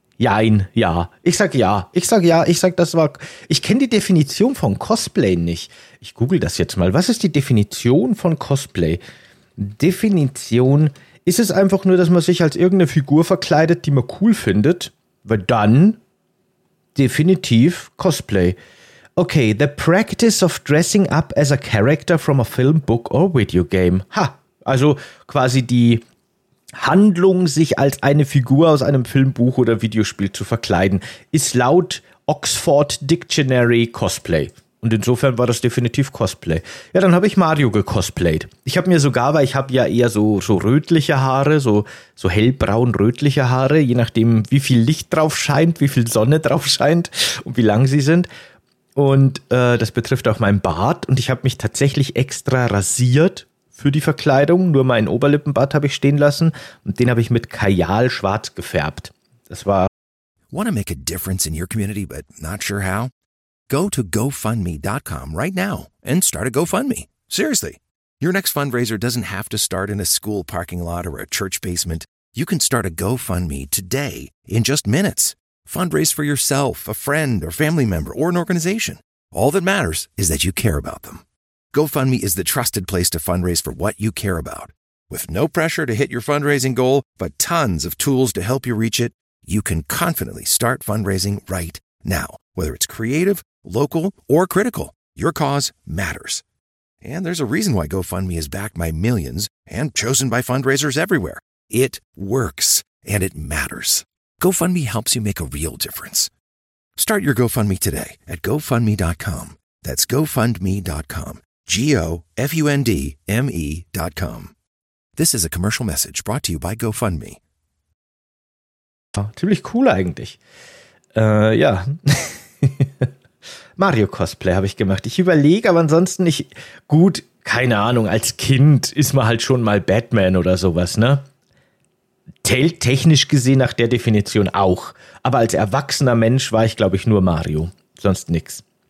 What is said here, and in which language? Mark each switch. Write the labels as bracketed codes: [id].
[de] Jein, ja. Ich sag ja. Ich sag ja. Ich sag, das war. Ich kenne die Definition von Cosplay nicht. Ich google das jetzt mal. Was ist die Definition von Cosplay? Definition. Ist es einfach nur, dass man sich als irgendeine Figur verkleidet, die man cool findet? Weil dann definitiv Cosplay. [en] Okay, the practice of dressing up as a character from a film, book or video game. [de] Ha, also quasi die Handlung, sich als eine Figur aus einem Film, Buch oder Videospiel zu verkleiden, ist laut Oxford Dictionary Cosplay. Und insofern war das definitiv Cosplay. Ja, dann habe ich Mario gecosplayed. Ich habe mir sogar, weil ich habe ja eher so rötliche Haare, so hellbraun-rötliche Haare, je nachdem, wie viel Licht drauf scheint, wie viel Sonne drauf scheint und wie lang sie sind. Und das betrifft auch meinen Bart. Und ich habe mich tatsächlich extra rasiert für die Verkleidung. Nur meinen Oberlippenbart habe ich stehen lassen. Und den habe ich mit Kajal schwarz gefärbt. Das war... [en] Want to make a difference in your community, but not sure how? Go to GoFundMe.com right now and start a GoFundMe. Seriously. Your next fundraiser doesn't have to start in a school parking lot or a church basement. You can start a GoFundMe today in just minutes. Fundraise for yourself, a friend, or family member, or an organization. All that matters is that you care about them. GoFundMe is the trusted place to fundraise for what you care about. With no pressure to hit your fundraising goal, but tons of tools to help you reach it, you can confidently start fundraising right now. Whether it's creative, local, or critical, your cause matters. And there's a reason why GoFundMe is backed by millions and chosen by fundraisers everywhere. It works, and it matters. GoFundMe helps you make a real difference. Start your GoFundMe today at GoFundMe.com. That's GoFundMe.com. GoFundMe.com. This is a commercial message brought to you by GoFundMe. [de] Oh, ziemlich cool eigentlich. Ja. Mario Cosplay habe ich gemacht. Ich überlege, aber ansonsten nicht. Gut, keine Ahnung, als Kind ist man halt schon mal Batman oder sowas, ne? Zählt technisch gesehen nach der Definition auch. Aber als erwachsener Mensch war ich, glaube ich, nur Mario. Sonst nix.